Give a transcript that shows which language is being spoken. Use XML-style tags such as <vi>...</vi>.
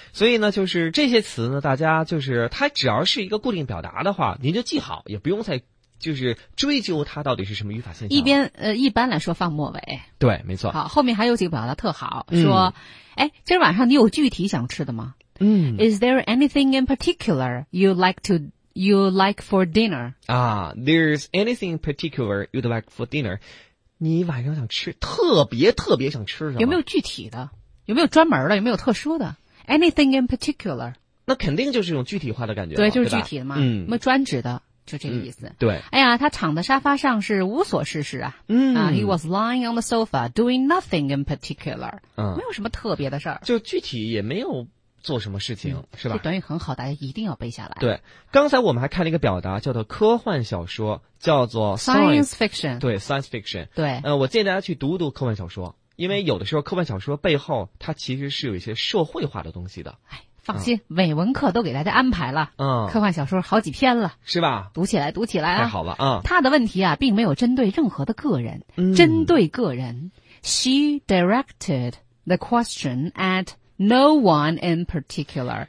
<zh>所以呢，就是这些词呢，大家就是它只要是一个固定表达的话，您就记好，也不用再。就是追究它到底是什么语法现象。一边一般来说放末尾。对，没错。好，后面还有几个表达特好、嗯、说哎，今儿晚上你有具体想吃的吗？嗯。</zh> <en>Is there anything in particular you like for dinner? 啊 ,there's anything in particular you'd like for dinner?</en> <zh>你晚上想吃特别特别想吃什么？有没有具体的？有没有专门的？有没有特殊的 ？</zh> <en>Anything in particular?</en> <zh>那肯定就是一种具体化的感觉。对，就是具体的嘛。嗯。有没有专指的？就这个意思、嗯、对哎呀他躺在沙发上是无所事事啊嗯、</zh> <en>He was lying on the sofa doing nothing in particular、嗯、</en> <zh>没有什么特别的事儿，就具体也没有做什么事情、嗯、是吧，这短语很好，大家一定要背下来。对，刚才我们还看了一个表达叫做科幻小说，叫做</zh> <en>science fiction。对， science fiction。</en> <zh>对，我建议大家去读读科幻小说，因为有的时候科幻小说背后它其实是有一些社会化的东西的。哎，放心，伪文课都给大家安排了。嗯，科幻小说好几篇了，是吧？读起来，读起来啊！太好了啊、嗯！他的问题啊，并没有针对任何的个人，嗯、针对个人。</zh> <en>She directed the question at no one in particular。</en>